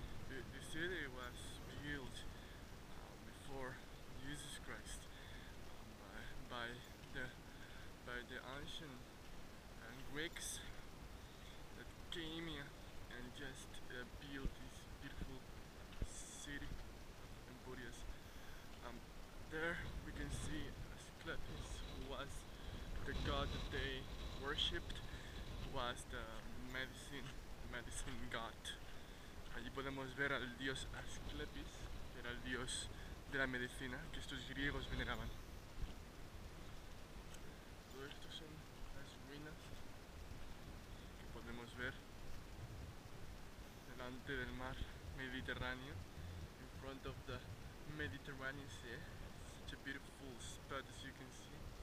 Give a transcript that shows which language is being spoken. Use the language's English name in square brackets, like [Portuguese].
[English] The city was built before Jesus Christ by the ancient Greeks that came here and just built this beautiful city of Empurias. There we can see Asclepius, who was the god that they worshipped, was the medicine god. [Spanish] Allí podemos ver al dios Asclepius, que era el dios de la medicina que estos griegos veneraban. Todo esto son las ruinas que podemos ver delante del mar Mediterráneo. [English] In front of the Mediterranean Sea. Such a beautiful spot, as you can see.